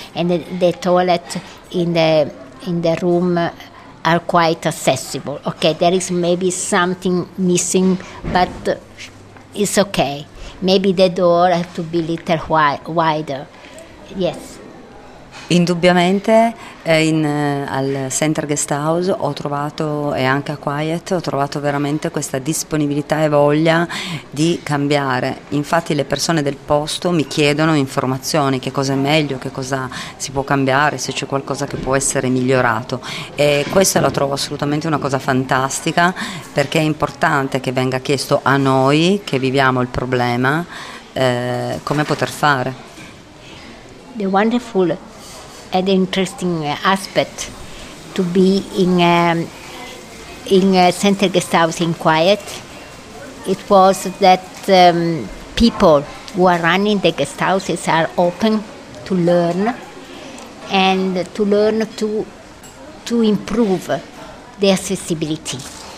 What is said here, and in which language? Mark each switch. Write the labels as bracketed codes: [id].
[en] And the toilet in the room are quite accessible. Okay, there is maybe something missing, but it's okay. Maybe the door has to be a little wider. Yes. [it] Indubbiamente al Center Guest House ho trovato, e anche a Quiet, ho trovato veramente questa disponibilità e voglia di cambiare. Infatti le persone del posto mi chiedono informazioni, che cosa è meglio, che cosa si può cambiare, se c'è qualcosa che può essere migliorato. E questa la trovo assolutamente una cosa fantastica, perché è importante che venga chiesto a noi che viviamo il problema come poter fare. [en] The wonderful and interesting aspect to be in a center guest house in Quiet, it was that people who are running the guest houses are open to learn and to learn to improve the accessibility.